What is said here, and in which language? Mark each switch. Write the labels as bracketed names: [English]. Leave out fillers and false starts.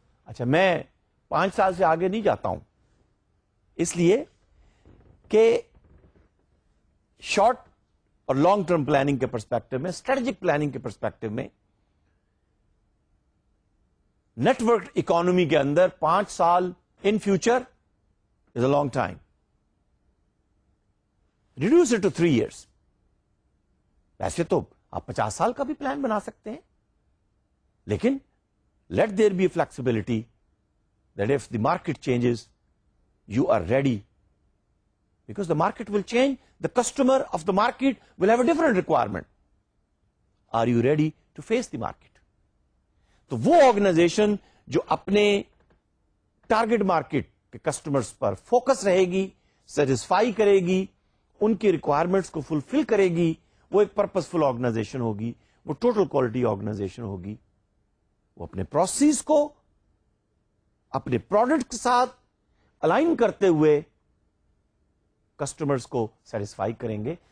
[Urdu] اچھا, میں پانچ سال سے آگے نہیں جاتا ہوں اس لیے کہ شارٹ اور لانگ ٹرم پلاننگ کے پرسپیکٹو میں, اسٹریٹجک پلاننگ کے پرسپیکٹو میں, نیٹورک اکانومی کے اندر پانچ سال in future [English] is a long time. Reduce it to 3 years. [Urdu] Aise to aap 50 saal ka bhi plan bana sakte hain, lekin [English] let there be a flexibility that if the market changes, you are ready, because the market will change, the customer of the market will have a different requirement. Are you ready to face the market? [Urdu] To wo organization jo apne target market customers per focus رہے گی, satisfy کرے گی, ان کی requirements کو فلفل کرے گی, وہ ایک پرپسفل آرگنائزیشن ہوگی, وہ ٹوٹل کوالٹی آرگنائزیشن ہوگی, وہ اپنے پروسیس کو اپنے پروڈکٹ کے ساتھ الائن کرتے ہوئے کسٹمرز کو سیٹسفائی کریں گے.